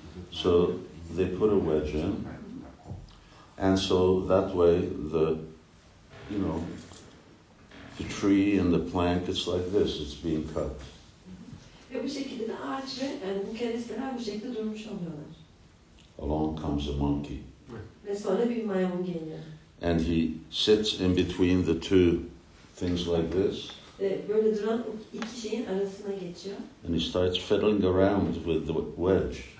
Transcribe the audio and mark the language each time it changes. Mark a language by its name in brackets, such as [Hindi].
[English] So they put a wedge in. And so that way the, you know, the tree and the plank, it's like this, it's being cut. [Turkish] Ve bu şekilde de ağaç ve bu keresteler bu şekilde durmuş oluyorlar. [English] Along comes a monkey. [Turkish] Ve sonra bir maymun geliyor. [English] And he sits in between the two things like this. [Turkish] böyle duran iki şeyin arasına geçiyor. [English] And he starts fiddling around with the wedge.